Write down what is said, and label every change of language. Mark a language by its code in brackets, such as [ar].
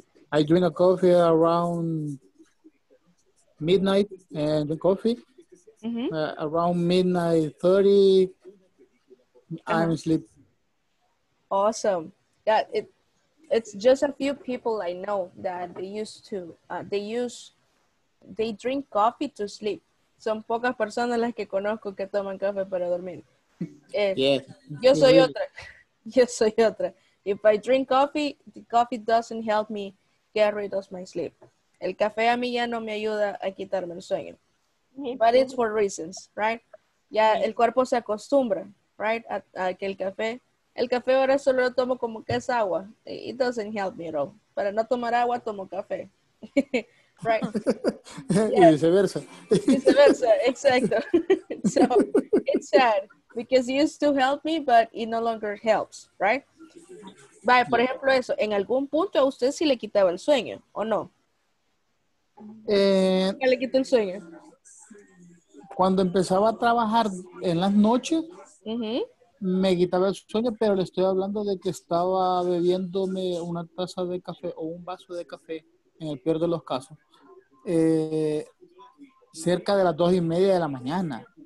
[en] I drink a coffee around midnight and the coffee. Around midnight 30, I'm asleep. Awesome. Yeah, it's just a few people I know that they drink coffee to sleep. [es] Son pocas personas las que conozco que toman café para dormir. Yo soy otra. [en] If I drink coffee, the coffee doesn't help me get rid of my sleep. [es] El café a mí ya no me ayuda a quitarme el sueño. [en] But it's for reasons, right? [es] Ya el cuerpo se acostumbra, right? A que el café ahora solo lo tomo como que es agua. [en] It doesn't help me at all. [es] Para no tomar agua, tomo café. [en] Right? [es] Yeah. Y viceversa. Viceversa, exacto. [en] So, it's sad. Because it used to help me, but it no longer helps, right? [es] Vaya, por ejemplo eso. ¿En algún punto a usted sí le quitaba el sueño, o no? ¿Qué le quitó el sueño? Cuando empezaba a trabajar en las noches, me quitaba el sueño, pero le estoy hablando de que estaba bebiéndome una taza de café o un vaso de café, en el peor de los casos, cerca de las 2:30 de la mañana.